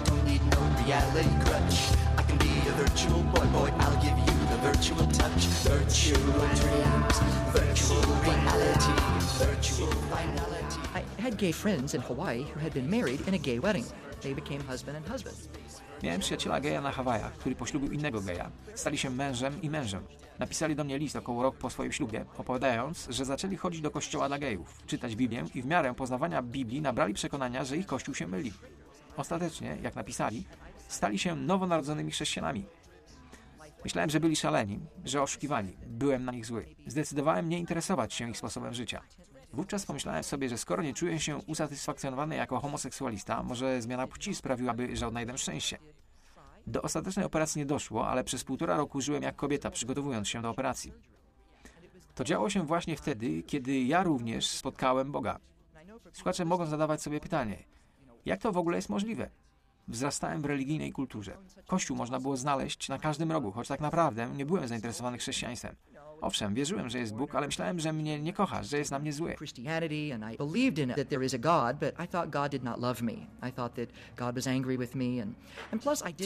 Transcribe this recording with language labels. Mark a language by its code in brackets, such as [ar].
[en] Don't need no reality crutch. I can be a virtual boy, boy. I'll give you the virtual touch. Virtual dreams, virtual reality, virtual finality. I had gay friends in Hawaii who had been married in a gay wedding. They became husband and husband. [pl] Miałem przyjaciela geja na Hawajach, który poślubił innego geja. Stali się mężem i mężem. Napisali do mnie list około rok po swoim ślubie, opowiadając, że zaczęli chodzić do kościoła dla gejów, czytać Biblię i w miarę poznawania Biblii nabrali przekonania, że ich kościół się myli. Ostatecznie, jak napisali, stali się nowonarodzonymi chrześcijanami. Myślałem, że byli szaleni, że oszukiwali. Byłem na nich zły. Zdecydowałem nie interesować się ich sposobem życia. Wówczas pomyślałem sobie, że skoro nie czuję się usatysfakcjonowany jako homoseksualista, może zmiana płci sprawiłaby, że odnajdę szczęście. Do ostatecznej operacji nie doszło, ale przez półtora roku żyłem jak kobieta, przygotowując się do operacji. To działo się właśnie wtedy, kiedy ja również spotkałem Boga. Słuchacze mogą zadawać sobie pytanie, jak to w ogóle jest możliwe? Wzrastałem w religijnej kulturze. Kościół można było znaleźć na każdym rogu, choć tak naprawdę nie byłem zainteresowany chrześcijaństwem. Owszem, wierzyłem, że jest Bóg, ale myślałem, że mnie nie kocha, że jest na mnie zły. [en] Christianity and I believed in it, that there is a God, but I thought God did not love me. I thought that God was angry with me and plus I did not.